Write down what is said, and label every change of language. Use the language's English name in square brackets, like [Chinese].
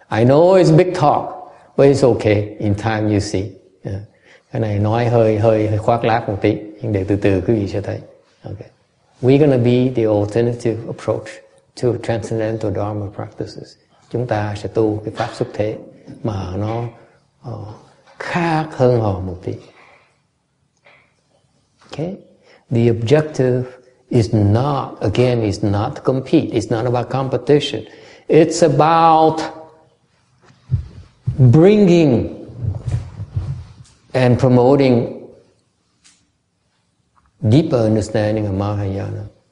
[English] I know it's big talk, but it's okay. In time, you see. [Vietnamese] Cái này nói hơi khoác lác một tí, nhưng để từ từ quý vị sẽ thấy. Okay. [English] We're gonna be the alternative approach to transcendental dharma practices. [Vietnamese] Chúng ta sẽ tu cái pháp xuất thế mà nó khác hơn họ một tí. [English] Okay. The objective is not, again, is not to compete. It's not about competition. It's about bringing and promoting deeper understanding of Mahayana.